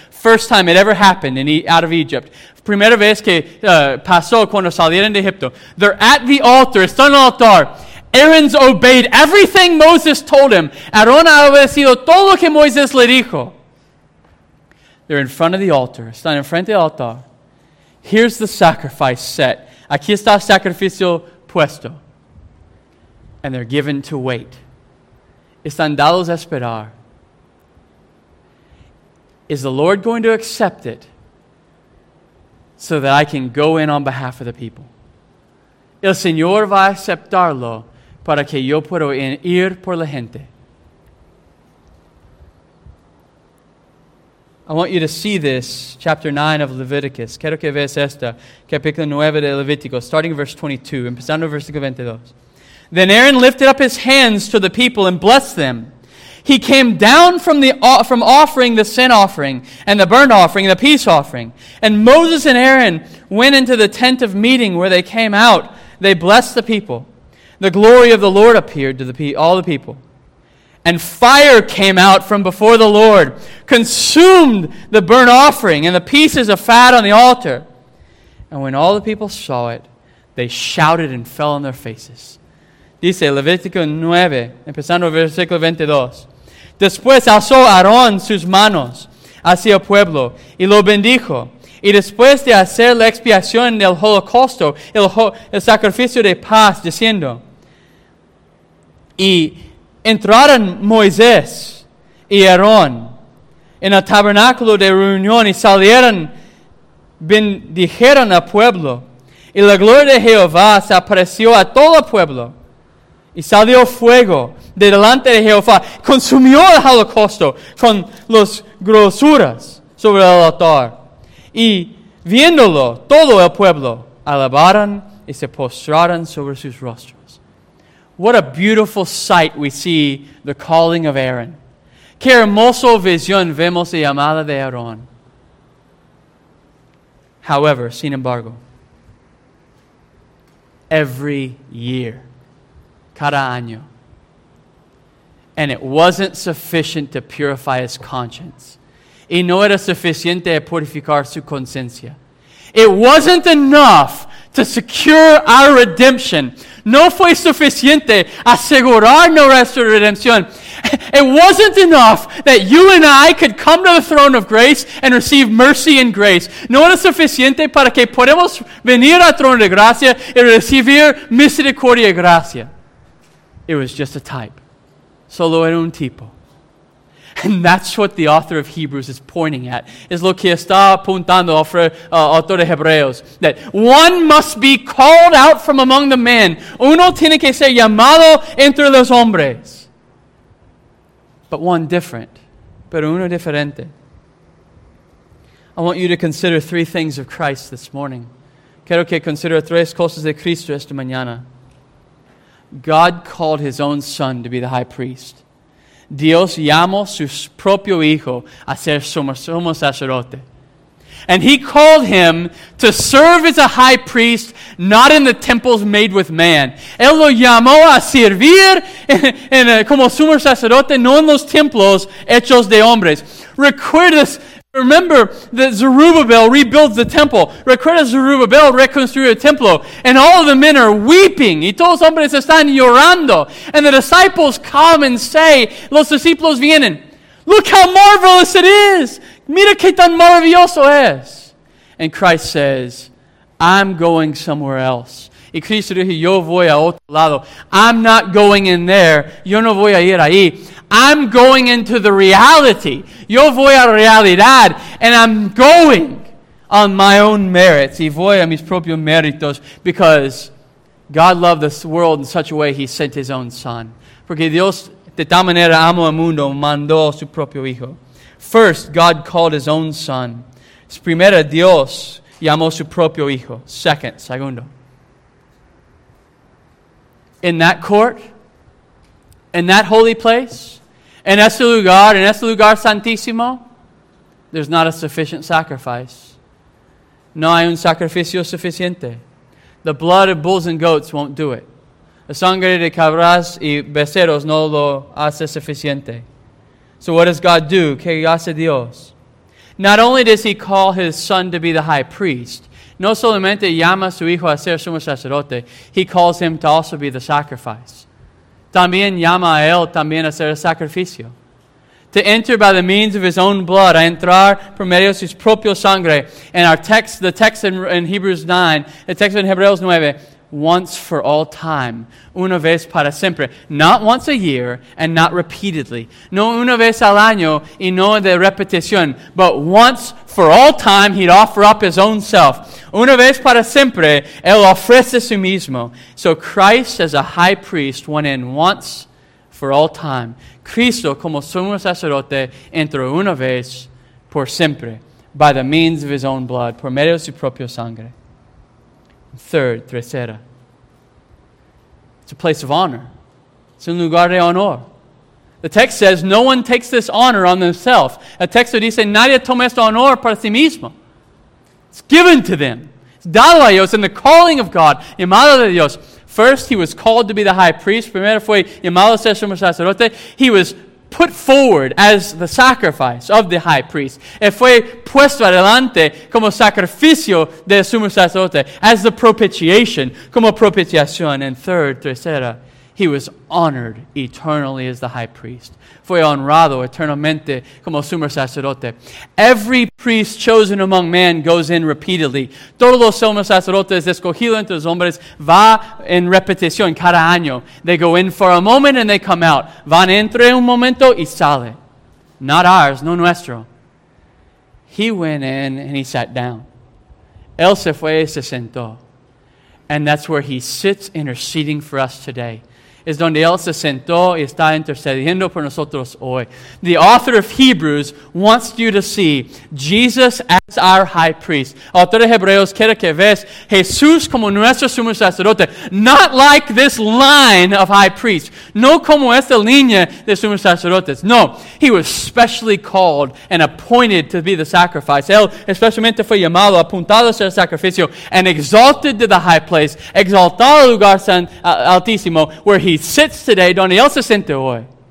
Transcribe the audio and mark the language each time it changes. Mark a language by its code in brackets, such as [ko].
[en] First time it ever happened out of Egypt. [es] Primera vez que pasó cuando salieron de Egipto. [en] They're at the altar. [es] Están en el altar. [en] Aaron's obeyed everything Moses told him. [es] Aaron ha obedecido todo lo que Moisés le dijo. [en] They're in front of the altar. [es] Están en frente del altar. [en] Here's the sacrifice set. [es] Aquí está el sacrificio puesto. [en] And they're given to wait. [es] Están dados a esperar. [en] Is the Lord going to accept it so that I can go in on behalf of the people? [es] El Señor va a aceptarlo para que yo pueda ir por la gente. [en] I want you to see this, chapter 9 of Leviticus. [es] Quiero que veas esta, capítulo 9 de Levítico, [en] starting verse 22, [es] empezando versículo 22. [en] Then Aaron lifted up his hands to the people and blessed them. He came down from offering the sin offering and the burnt offering and the peace offering. And Moses and Aaron went into the tent of meeting where they came out. They blessed the people. The glory of the Lord appeared to all the people. And fire came out from before the Lord, consumed the burnt offering and the pieces of fat on the altar. And when all the people saw it, they shouted and fell on their faces. [es] Dice Levítico 9, empezando versículo 22. Después alzó Aarón sus manos hacia el pueblo y lo bendijo. Y después de hacer la expiación del holocausto, el sacrificio de paz, diciendo, y entraron Moisés y Aarón en el tabernáculo de reunión y salieron, bendijeron al pueblo. Y la gloria de Jehová se apareció a todo el pueblo. Y salió fuego de delante de Jehová. Consumió el holocausto con las grosuras sobre el altar. Y viéndolo, todo el pueblo alabaron y se postraron sobre sus rostros. [en] What a beautiful sight we see the calling of Aaron. [es] Qué hermoso visión vemos la llamada de Aarón. [en] However, [es] sin embargo, [en] every year, [es] cada año, [en] and it wasn't sufficient to purify his conscience. [es] Y no era suficiente purificar su conciencia. [en] It wasn't enough to secure our redemption. [es] No fue suficiente asegurar nuestra redención. [en] It wasn't enough that you and I could come to the throne of grace and receive mercy and grace. [es] No era suficiente para que podamos venir al trono de gracia y recibir misericordia y gracia. [en] It was just a type. [es] Solo era un tipo. [en] And that's what the author of Hebrews is pointing at. [es] Es lo que está apuntando el autor de Hebreos. [en] That one must be called out from among the men. [es] Uno tiene que ser llamado entre los hombres. [en] But one different. [es] Pero uno diferente. [en] I want you to consider 3 things of Christ this morning. [es] Quiero que consideres 3 cosas de Cristo esta mañana. [en] God called his own son to be the high priest. [es] Dios llamó su propio hijo a ser sumo sacerdote. [en] And he called him to serve as a high priest, not in the temples made with man. [es] Él lo llamó a servir como sumo sacerdote, no en los templos hechos de hombres. [en] Remember that Zerubbabel rebuilds the temple. [es] Recuerda Zerubbabel reconstruye el templo. [en] And all the men are weeping. [es] Y todos los hombres están llorando. [en] And the disciples come and say, [es] los discípulos vienen. [en] Look how marvelous it is. [es] Mira que tan maravilloso es. [en] And Christ says, I'm going somewhere else. [es] Y Cristo dijo, yo voy a otro lado. [en] I'm not going in there. [es] Yo no voy a ir ahí. [en] I'm going into the reality. [es] Yo voy a realidad. [en] And I'm going on my own merits. [es] Y voy a mis propios méritos. [en] Because God loved this world in such a way he sent his own son. [es] Porque Dios de tal manera amó al mundo, mandó a su propio hijo. [en] First, God called his own son. [es] Primero, Dios llamó su propio hijo. Segundo. [en] In that court, in that holy place, in [es] ese lugar santísimo, [en] there's not a sufficient sacrifice. [es] No hay un sacrificio suficiente. [en] The blood of bulls and goats won't do it. [es] La sangre de cabras y becerros no lo hace suficiente. [en] So what does God do? [es] ¿Qué hace Dios? [en] Not only does he call his son to be the high priest, [es] no solamente llama a su hijo a ser sumo sacerdote, [en] he calls him to also be the sacrifice. [es] También llama a él también a ser el sacrificio. [en] To enter by the means of his own blood, [es] a entrar por medio de su propio sangre, [en] and our text, the text in Hebrews 9, the text in Hebreos 9, once for all time, [es] una vez para siempre, [en] not once a year and not repeatedly, [es] no una vez al año y no de repetición, [en] but once for all time he'd offer up his own self, [es] una vez para siempre él ofrece su mismo. [en] So Christ as a high priest went in once for all time. [es] Cristo como sumo sacerdote entró una vez por siempre [en] by the means of his own blood, [es] por medio de su propio sangre. [en] Third, tercera. It's a place of honor. It's [es] un lugar de honor. [en] The text says, no one takes this honor on themselves. [es] El texto dice, nadie toma este honor para sí mismo. [en] It's given to them. It's [es] dado a ellos [en] in the calling of God. [es] Llamado de Dios. [en] First, he was called to be the high priest. [es] Primero fue llamado a ser sumo sacerdote. [en] He was put forward as the sacrifice of the high priest. [es] Él fue puesto adelante como sacrificio del sumo sacerdote, [en] as the propitiation, [es] como propiciación. [en] And third, [es] tercera, [en] he was honored eternally as the high priest. [es] Fue honrado eternamente como sumo sacerdote. [en] Every priest chosen among men goes in repeatedly. [es] Todos los sumo sacerdotes escogidos entre los hombres va en repetición cada año. [en] They go in for a moment and they come out. [es] Van entre un momento y sale. [en] Not ours, [es] no nuestro. [en] He went in and he sat down. [es] Él se fue y se sentó. [en] And that's where he sits interceding for us today. [es] Es donde él se sentó y está intercediendo por nosotros hoy. [en] The author of Hebrews wants you to see Jesus as our high priest. [es] El autor de Hebreos quiere que veas Jesús como nuestro sumo sacerdote. [en] Not like this line of high priests. [es] No como esta línea de sumo sacerdotes. [en] No, he was specially called and appointed to be the sacrifice. [es] Él especialmente fue llamado, apuntado a ser sacrificio, [en] and exalted to the high place, [es] exaltado al lugar altísimo, [en] where he sits today, [es] donde él se siente hoy.